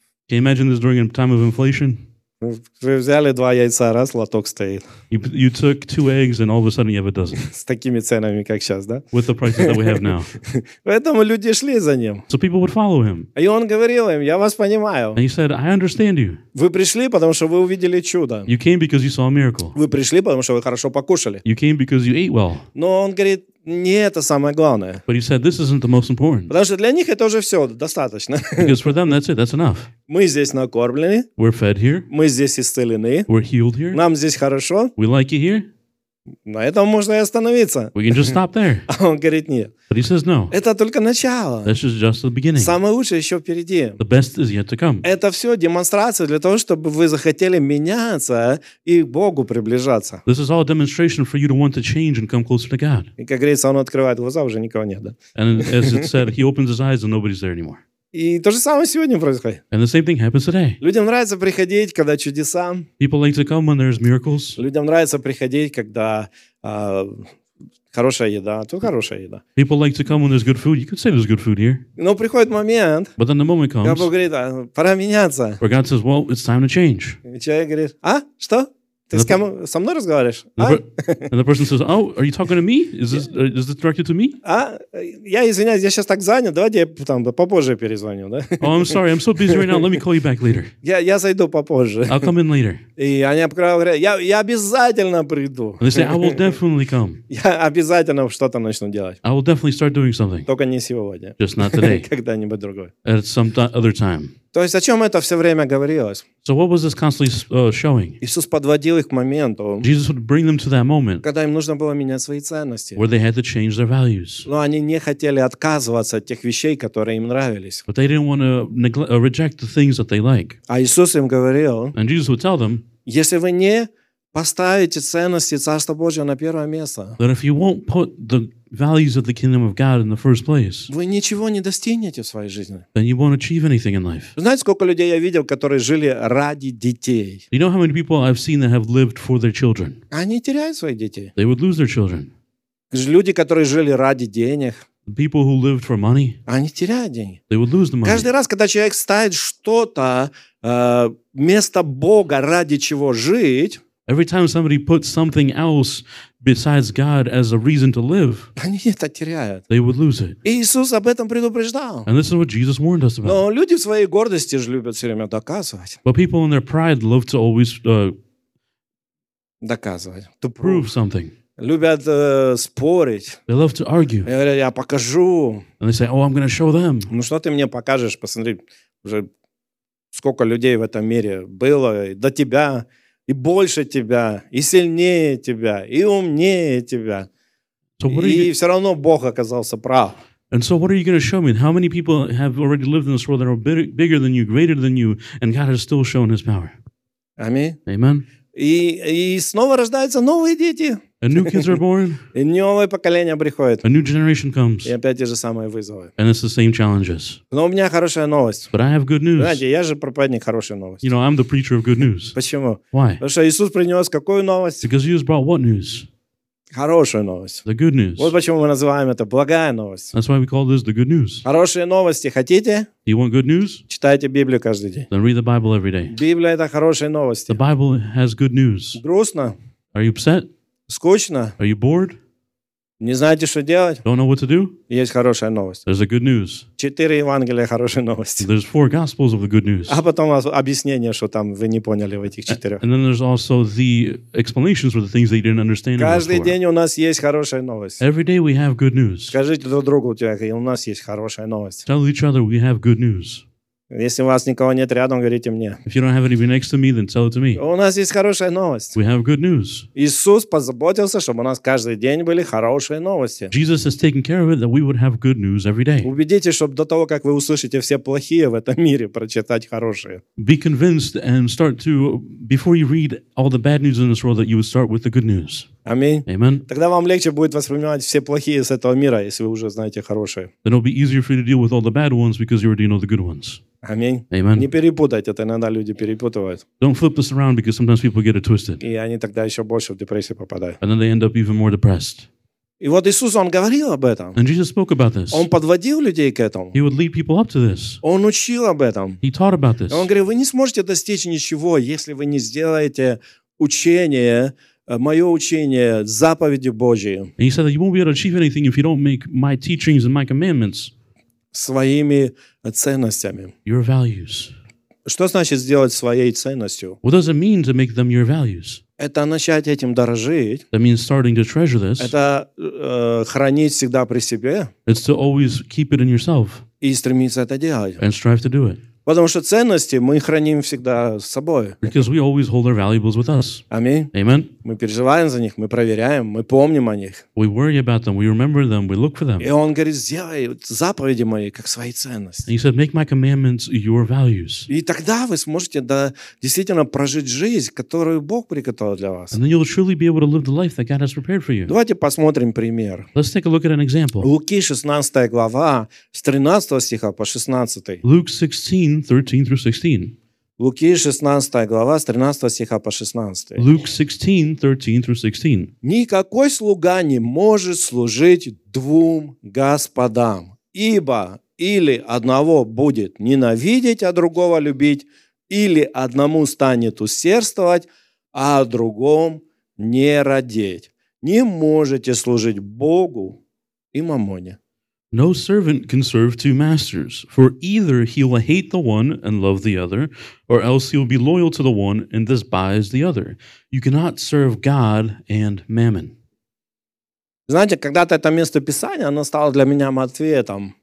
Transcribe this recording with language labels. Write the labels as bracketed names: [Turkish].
[English] Can you imagine this during a time of inflation? [Russian] Вы взяли два яйца, раз, лоток стоит. [English] You took two eggs and all of a sudden you have a dozen. [Russian] С такими ценами, как сейчас, да? [English] With the prices that we have now. [Russian] Поэтому люди шли за ним. [English] So people would follow him. [Russian] И он говорил им, я вас понимаю. [English] And he said, I understand you. [Russian] Вы пришли, потому что вы увидели чудо. [English] You came because you saw a miracle. [Russian] Вы пришли, потому что вы хорошо покушали. [English] You came because you ate well. [Russian] Но он говорит, не это самое главное. [English] But he said, this isn't the most important. [Russian] Потому что для них это уже все, достаточно. [English] Because for them, that's it, that's enough. [Russian] Мы здесь накормлены. [English] We're fed here. [Russian] Мы здесь исцелены. [English] We're healed here. [Russian] Нам здесь хорошо. [English] We like it here. [Russian] На этом можно и остановиться. [English] We can just stop there. [Russian] А он говорит, нет. [English] But he says, no. [Russian] Это только начало. [English] This is just the beginning. [Russian] Самое лучшее еще впереди. [English] The best is yet to come. [Russian] Это все демонстрация для того, чтобы вы захотели меняться и к Богу приближаться. [English] This is all a demonstration for you to want to change and come closer to God. [Russian] И как говорится, он открывает глаза, уже никого нет. Да? [English] And as it said, he opens his eyes and nobody's there anymore. [Russian] И то же самое сегодня происходит. [English] And the same thing happens today. [Russian] Людям нравится приходить, когда чудеса. [English] People like to come when there's miracles. [Russian] Людям нравится приходить, когда хорошая еда. Тут хорошая еда. [English] People like to come when there's good food. You could say there's good food here. [Russian] Но приходит момент. [English] But then the moment comes. [Russian] Бог говорит, пора меняться. [English] Where God says, well, it's time to change. [Russian] И человек говорит, а, что? Ты со мной разговариваешь? [English] And the person says, oh, are you talking to me? Is this directed to me? [Russian] Я извиняюсь, я сейчас так занят. Давайте я там попозже перезвоню. Да? [English] Oh, I'm sorry, I'm so busy right now. Let me call you back later. [Russian] Я зайду попозже. [English] I'll come in later. [Russian] И они говорят, я обязательно приду. [English] And they say, I will definitely come. [Russian] Я обязательно что-то начну делать. [English] I will definitely start doing something. [Russian] Только не сегодня. [English] Just not today. [Russian] Когда-нибудь другой. [English] At some other time. [Russian] То есть о чем это все время говорилось? [English] So what was this constantly showing? [Russian] Иисус подводил их к моменту, [English] Jesus would bring them to that moment, [Russian] когда им нужно было менять свои ценности. [English] Where they had to change their values. [Russian] Но они не хотели отказываться от тех вещей, которые им нравились. [English] But they didn't want to reject the things that they like. [Russian] А Иисус им говорил, [English] And Jesus would tell them, [Russian] если вы не поставите ценности Царства Божьего на первое место, [English] that if you won't put the values of the kingdom of God in the first place. [Russian] Вы ничего не достигнете в своей жизни. [English] Then you won't achieve anything in life. [Russian] Знаете, сколько людей я видел, которые жили ради детей? [English] You know how many people I've seen that have lived for their children? [Russian] Они теряют своих детей. [English] They would lose their children. [Russian] Люди, которые жили ради денег. [English] People who lived for money. [Russian] Они теряют деньги. [English] They would lose the money. [Russian] Каждый раз, когда человек ставит что-то вместо Бога, ради чего жить, [English] every time somebody puts something else besides God as a reason to live, [Russian] они это теряют. [English] They would lose it. [Russian] И Иисус об этом предупреждал. [English] And this is what Jesus warned us about. [Russian] Но люди в своей гордости же любят все время доказывать. [English] But people in their pride love to always [Russian] доказывать. [English] To prove something. [Russian] Любят спорить. [English] They love to argue. [Russian] И говорят, я покажу. [English] And they say, oh, I'm going to show them. [Russian] Ну что ты мне покажешь? Посмотри, уже сколько людей в этом мире было до тебя. И больше тебя, и сильнее тебя, и умнее тебя. [English] So [Russian] и все равно Бог оказался прав. [English] And so what are you going to show me? How many people have already lived in this world that are bigger than you, greater than you, and God has still shown his power? [Russian] Аминь. [English] Amen. [Russian] И снова рождаются новые дети. [English] And new kids are born. [Russian] И новое поколение приходит. [English] A new generation comes. [Russian] И опять те же самые вызовы. [English] And it's the same challenges. [Russian] Но у меня хорошая новость. [English] But I have good news. [Russian] Знаете, я же проповедник хорошей новости. [English] You know, I'm the preacher of good news. [Russian] Почему? [English] Why? [Russian] Потому что Иисус принес какую новость? [English] Because Jesus brought what news? [Russian] Хорошую новость. [English] The good news. [Russian] Вот почему мы называем это благая новость. [English] That's why we call this the good news. [Russian] Хорошие новости хотите? [English] You want good news? [Russian] Читайте Библию каждый день. [English] Then read the Bible every day. [Russian] Библия это хорошие новости. [English] The Bible has good news. [Russian] Грустно? [English] Are you upset? [Russian] Скучно? [English] Are you bored? [Russian] Не знаете, что делать? [English] Don't know what to do? [Russian] Есть хорошая новость. [English] There's a good news. [Russian] Четыре Евангелия хорошей новости. [English] There's four Gospels of the good news. [Russian] А потом объяснение, что там вы не поняли в этих четырех. [English] And then there's also the explanations for the things that you didn't understand. [Russian] Каждый день у нас есть хорошая новость. [English] Every day we have good news. [Russian] Скажите друг другу, у нас есть хорошая новость. [English] Tell each other we have good news. [Russian] Если у вас никого нет рядом, говорите мне. [English] If you don't have anybody next to me, then tell it to me. [Russian] У нас есть хорошая новость. [English] We have good news. [Russian] Иисус позаботился, чтобы у нас каждый день были хорошие новости. [English] Jesus has taken care of it that we would have good news every day. [Russian] Убедитесь, чтобы до того, как вы услышите все плохие в этом мире, прочитать хорошие. [English] Be convinced and start to before you read all the bad news in this world that you would start with the good news. [Russian] Аминь. [English] Amen. [Russian] Тогда вам легче будет воспринимать все плохие с этого мира, если вы уже знаете хорошие. [English] Then it'll be easier for you to deal with all the bad ones because you already know the good ones. [Russian] Аминь. [English] Amen. [Russian] Не перепутайте, это иногда люди перепутывают. [English] Don't flip this around because sometimes people get it twisted. [Russian] И они тогда еще больше в депрессию попадают. [English] And then they end up even more depressed. [Russian] И вот Иисус, Он говорил об этом. [English] And Jesus spoke about this. [Russian] Он подводил людей к этому. [English] He would lead people up to this. [Russian] Он учил об этом. [English] He taught about this. [Russian] И Он говорил, вы не сможете достичь ничего, если вы не сделаете учение, мое учение, заповеди Божьи. [English] And He said that you won't be able to achieve anything if you don't make my teachings and my commandments. [Russian] Своими ценностями. [English] Your values. [Russian] Что значит сделать своей ценностью? [English] What does it mean to make them your values? [Russian] Это начать этим дорожить. [English] That means starting to treasure this. [Russian] Это хранить всегда при себе. [English] It's to always keep it in yourself. [Russian] И стремиться это делать. [English] And strive to do it. [Russian] Потому что ценности мы храним всегда с собой. [English] Because we always hold our valuables with us. [Russian] Аминь. [English] Amen. [Russian] Мы переживаем за них, мы проверяем, мы помним о них. [English] We worry about them, we remember them, we look for them. [Russian] И Он говорит, сделай заповеди мои, как свои ценности. [English] And He said, make my commandments your values. [Russian] И тогда вы сможете действительно прожить жизнь, которую Бог приготовил для вас. [English] And then you'll truly be able to live the life that God has prepared for you. [Russian] Давайте посмотрим пример. [English] Let's take a look at an example. [Russian] Луки 16 глава, с 13 стиха по 16. [English] Luke 16. 13-16. [Russian] Луки 16 глава, с 13 стиха по 16. [English] Luke 16:13-16. [Russian] Никакой слуга не может служить двум господам, ибо или одного будет ненавидеть, а другого любить, или одному станет усердствовать, а другом не радеть. Не можете служить Богу и Мамоне. [English] No servant can serve two masters, for either he will hate the one and love the other, or else he will be loyal to the one and despise the other. You cannot serve God and mammon. [Russian] Знаете, когда-то это место Писания, оно стало для меня ответом.